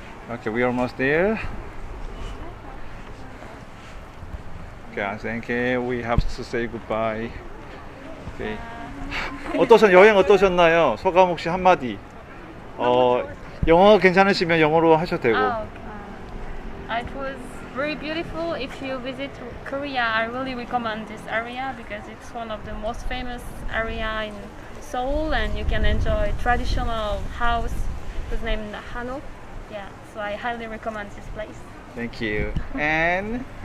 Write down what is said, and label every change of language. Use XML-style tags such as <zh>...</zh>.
<en>Okay, we're almost there. Okay, I think we have to say goodbye. Okay.</en> <ko>어떠셨, 여행 어떠셨나요? 소감 혹시 한마디. 영어 괜찮으시면 영어로 하셔도 되고.</ko> <en>It was very beautiful. If you visit Korea, I really recommend this area because it's one of the most famous area in Seoul and you can enjoy traditional house whose name is Hanok. Yeah, so I highly recommend this place. Thank you. And</en>